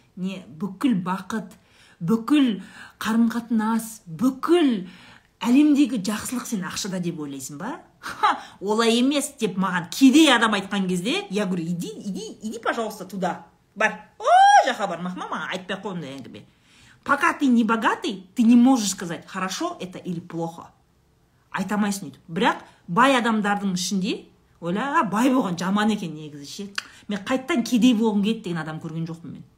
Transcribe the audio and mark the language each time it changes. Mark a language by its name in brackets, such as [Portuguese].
[Kazakh] Не бүкіл бақыт, бүкіл қарым-қатынас, бүкіл әлемдегі жақсылық сен ақшада деп ойлайсың ба? Олай емес деп маған кедей адам айтқан кезде, [Russian] я говорю, иди, иди, иди, пожалуйста, туда. [Kazakh] Бар. О, жаха бар, махма маған айтпай қойымды әңгіме. [Russian] Пока ты не богатый, ты не можешь сказать, хорошо это или плохо. [Kazakh] Айтамайсың дейді. Бірақ бай адамдардың ішінде, ойла, бай болған жаман екен негізі ше. Мен қайттан кедей болғым келеді деген адам көрген жоқпын мен.